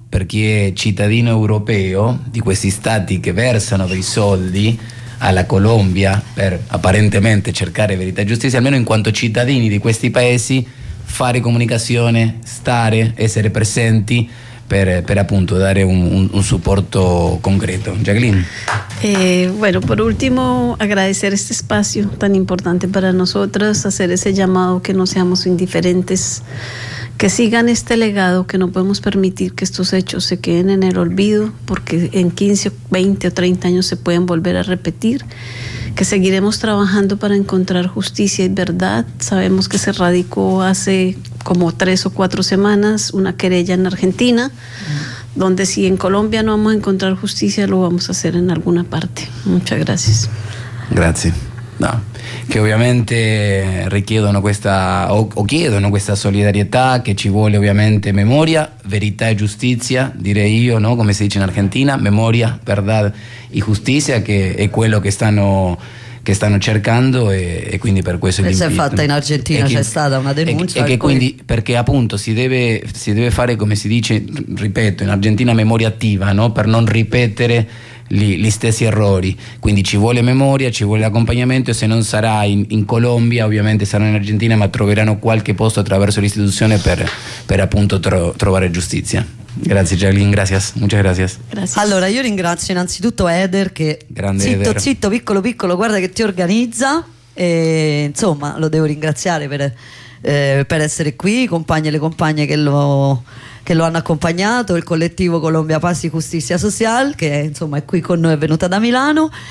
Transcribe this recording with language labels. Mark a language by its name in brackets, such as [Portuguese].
[Italian] Per chi è cittadino europeo di questi stati che versano dei soldi alla Colombia per apparentemente cercare verità e giustizia, almeno in quanto cittadini di questi paesi, fare comunicazione, stare, essere presenti per appunto dare un supporto concreto. Jacqueline. [Spanish] Bueno, por último, agradecer este espacio tan importante para nosotros, hacer ese llamado que no seamos indiferentes, que sigan este legado, que no podemos permitir que estos hechos se queden en el olvido, porque en 15, 20 o 30 años se pueden volver a repetir, que seguiremos trabajando para encontrar justicia y verdad. Sabemos que se radicó hace como 3 o 4 semanas una querella en Argentina, donde si en Colombia no vamos a encontrar justicia, lo vamos a hacer en alguna parte. Muchas gracias. [Italian] Grazie. No. Che ovviamente richiedono questa o chiedono questa solidarietà, che ci vuole ovviamente memoria, verità e giustizia, direi io, no? Come si dice in Argentina, memoria, verità e giustizia, che è quello che stanno cercando, e quindi per questo si è fatta in Argentina, c'è stata una denuncia, e che quindi perché appunto si deve fare, come si dice, ripeto, in Argentina, memoria attiva, no? Per non ripetere gli stessi errori, quindi ci vuole memoria, ci vuole accompagnamento, e se non sarà in Colombia, ovviamente sarà in Argentina, ma troveranno qualche posto attraverso l'istituzione per appunto trovare giustizia. Grazie [Spanish] Jacqueline, gracias, muchas gracias. [Italian] Grazie. Allora io ringrazio innanzitutto Eder, che grande zitto Eder, zitto piccolo piccolo, guarda che ti organizza, e insomma lo devo ringraziare per essere qui, i compagni e le compagne che lo hanno accompagnato, il collettivo Colombia Paz y Justicia Social, che è, insomma, è qui con noi, è venuta da Milano.